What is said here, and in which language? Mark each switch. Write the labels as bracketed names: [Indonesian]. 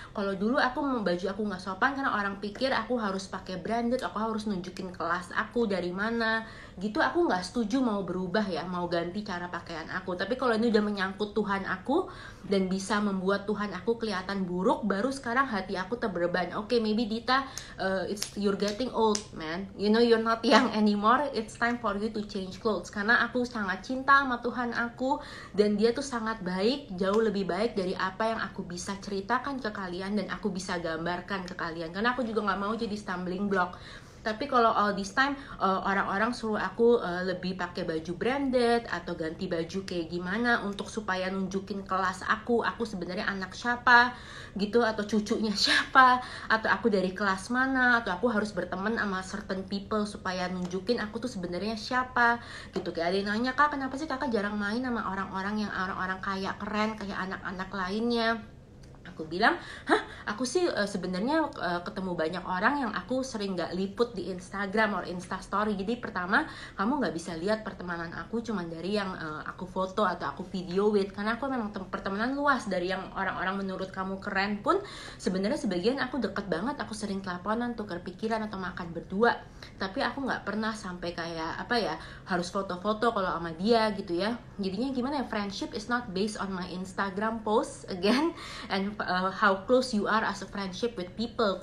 [Indonesian] Kalau dulu aku baju aku gak sopan karena orang pikir aku harus pakai branded, aku harus nunjukin kelas aku dari mana gitu. Aku gak setuju mau berubah ya, mau ganti cara pakaian aku. Tapi kalau ini udah menyangkut Tuhan aku dan bisa membuat Tuhan aku kelihatan buruk, baru sekarang hati aku terbeban. [English] Maybe Dita, you're getting old man, you know you're not young anymore, it's time for you to change clothes. [Indonesian] Karena aku sangat cinta sama Tuhan aku, dan dia tuh sangat baik, jauh lebih baik dari apa yang aku bisa ceritakan ke kalian dan aku bisa gambarkan ke kalian. Karena aku juga gak mau jadi [English] stumbling block. [Indonesian] Tapi kalau [English] all this time [Indonesian] orang-orang suruh aku lebih pakai baju branded atau ganti baju kayak gimana untuk supaya nunjukin kelas aku sebenarnya anak siapa gitu, atau cucunya siapa, atau aku dari kelas mana, atau aku harus berteman sama [English] certain people [Indonesian] supaya nunjukin aku tuh sebenarnya siapa gitu. Kayak ada yang nanya, kak kenapa sih kakak jarang main sama orang-orang yang orang-orang kaya keren kayak anak-anak lainnya. Aku bilang, hah, aku sih sebenarnya ketemu banyak orang yang aku sering gak liput di Instagram or Instastory. Jadi pertama, kamu gak bisa lihat pertemanan aku cuman dari yang aku foto atau aku video with. Karena aku memang pertemanan luas, dari yang orang-orang menurut kamu keren pun sebenarnya sebagian aku deket banget, aku sering teleponan, tukar pikiran atau makan berdua. Tapi aku gak pernah sampai kayak apa ya, harus foto-foto kalau sama dia gitu ya. Jadinya gimana ya, [English] friendship is not based on my Instagram post again, and how close you are as a friendship with people.